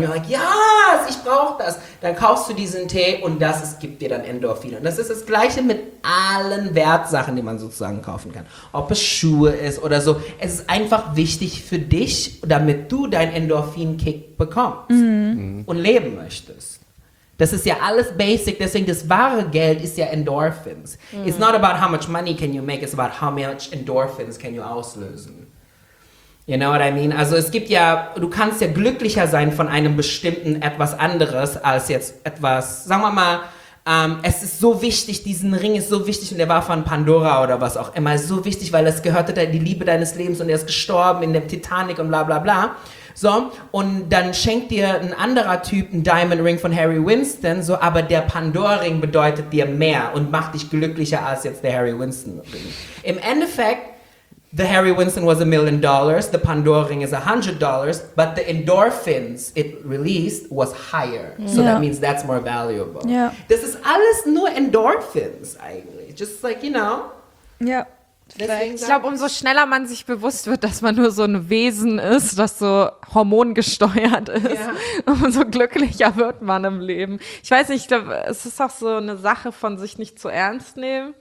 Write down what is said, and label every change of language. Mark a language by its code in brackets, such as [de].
[de] Und du sagst, yes, ich brauch das. Dann kaufst du diesen Tee und es gibt dir dann Endorphine. Und das ist das Gleiche mit allen Wertsachen, die man sozusagen kaufen kann. Ob es Schuhe ist oder so. Es ist einfach wichtig für dich, damit du deinen Endorphin-Kick bekommst und leben möchtest. Das ist ja alles basic, deswegen das wahre Geld ist ja Endorphins. Mm. [en] It's not about how much money can you make, it's about how much Endorphins can you [de] auslösen. [en] You know what I mean? [de] Also es gibt ja, du kannst ja glücklicher sein von einem bestimmten etwas anderes als jetzt etwas, sagen wir mal, es ist so wichtig, diesen Ring ist so wichtig und der war von Pandora oder was auch immer, so wichtig, weil es gehörte dann die Liebe deines Lebens und er ist gestorben in dem Titanic und bla bla bla. So, und dann schenkt dir ein anderer Typ einen Diamond Ring von Harry Winston, so, aber der Pandora-Ring bedeutet dir mehr und macht dich glücklicher als jetzt der Harry Winston-Ring. Im Endeffekt, [en] the Harry Winston was $1 million, the Pandora-Ring is $100, but the endorphins it released was higher. So that means that's more valuable. Yeah. [de] Das ist alles nur Endorphins eigentlich. [en] Just like, you know. Yeah. [de] Deswegen, ich glaube, umso schneller man sich bewusst wird, dass man nur so ein Wesen ist, das so hormongesteuert ist, ja, umso glücklicher wird man im Leben. Ich weiß nicht, ich glaub, es ist auch so eine Sache von sich nicht zu ernst nehmen.